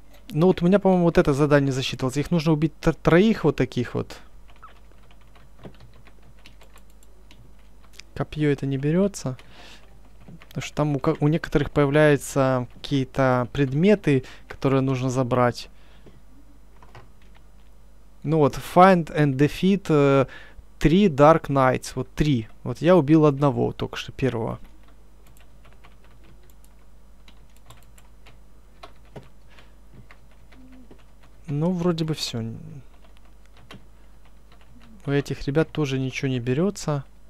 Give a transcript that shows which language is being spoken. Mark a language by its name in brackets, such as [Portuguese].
[Russian] Ну вот у меня, по-моему, вот это задание засчитывалось. Их нужно убить троих вот таких вот. Копье это не берется. Потому что там у некоторых появляются какие-то предметы, которые нужно забрать. Ну вот, [English] Find and Defeat 3 Dark Knights. [Russian] Вот три. Вот я убил одного только что, первого. Ну, вроде бы все. У этих ребят тоже ничего не берется.